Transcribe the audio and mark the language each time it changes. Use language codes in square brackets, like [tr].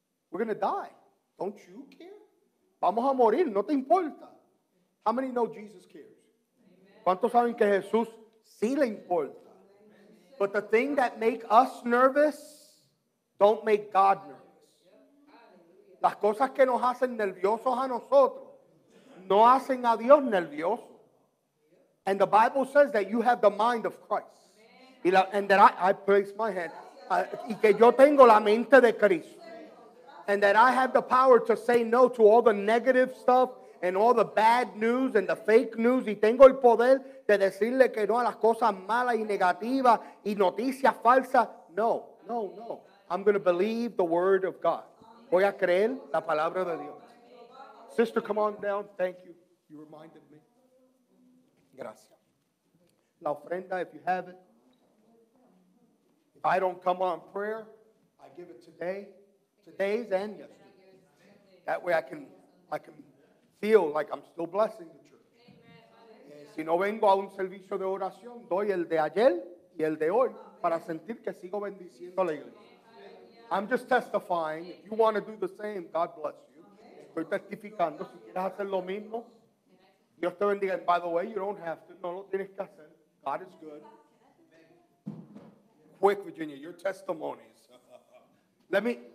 [en] We're going to die. Don't you care? [es] Vamos a morir, no te importa. [en] How many know Jesus cares? [es] Amen. ¿Cuántos saben que Jesús sí le importa? Amen. [en] But the thing that make us nervous don't make God nervous. [es] Las cosas que nos hacen nerviosos a nosotros no hacen a Dios nervioso. [en] And the Bible says that you have the mind of Christ. And that I place my hand. [es] Y que yo tengo la mente de Cristo. [en] And that I have the power to say no to all the negative stuff and all the bad news and the fake news. [es] Y tengo el poder de decirle que no a las cosas malas y negativas y noticias falsas. [en] No, no, no. I'm going to believe the word of God. [es] Voy a creer la palabra de Dios. [en] Sister, come on down. Thank you. You reminded me. [es] Gracias. La ofrenda, [en] if you have it. I don't come on prayer, I give it today, today's and yesterday. That way I can feel like I'm still blessing the church. [es] Si no vengo a un servicio de oración, doy el de ayer y el de hoy para sentir que sigo bendiciendo la iglesia. [en] I'm just testifying. If you want to do the same, God bless you. [es] Estoy testificando. Si quieres hacer lo mismo, Dios te bendiga. [en] And by the way, you don't have to. [es] No lo tienes que hacer. [en] God is good. Quick, Virginia, your testimonies. Let me.